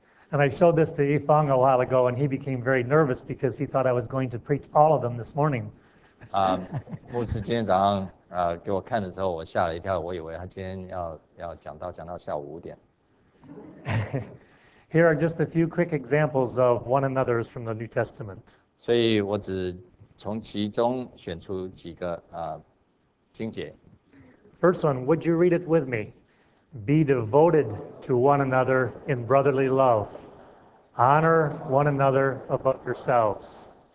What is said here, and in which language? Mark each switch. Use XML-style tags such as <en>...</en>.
<en>And I showed this to Yifang a while ago, and he became very nervous because he thought I was going to preach all of them this morning.</en> <zh>牧师今天早上给我看的时候，我吓了一跳，我以为他今天要讲到下午五点。</zh> <en>Here are just a few quick examples of one another's from the New Testament.</en> <zh>所以我只从其中选出几个经节。</zh> <en>First one, would you read it with me? Be devoted to one another in brotherly love. Honor one another above yourselves.</en>